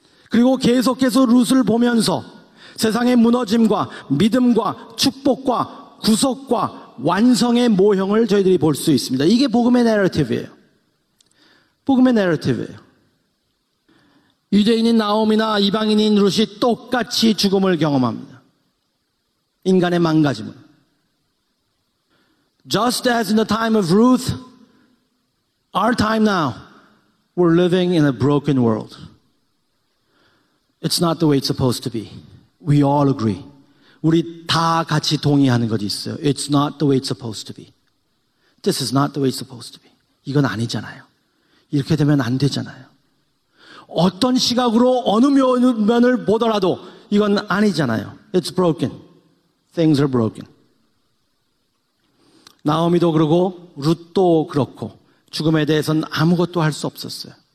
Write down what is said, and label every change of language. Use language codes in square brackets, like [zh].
[ko] 그리고 계속해서 룻을 보면서 세상의 무너짐과 믿음과 축복과 구속과 완성의 모형을 저희들이 볼 수 있습니다. 이게 복음의 내러티브예요. 복음의 내러티브예요. 유대인인 나오미나 이방인인 룻이 똑같이 죽음을 경험합니다. 인간의 망가짐은. [en] Just as in the time of Ruth, our time now, we're living in a broken world. It's not the way it's supposed to be. We all agree. [ko] 우리 다 같이 동의하는 것이 있어요. [en] It's not the way it's supposed to be. This is not the way it's supposed to be. [ko] 이건 아니잖아요. 이렇게 되면 안 되잖아요. 어떤 시각으로 어느 면을 보더라도 이건 아니잖아요. [en] It's broken. Things are broken. [ko] 나오미도 그러고 룻도 그렇고 죽음에 대해서는 아무것도 할 수 없었어요.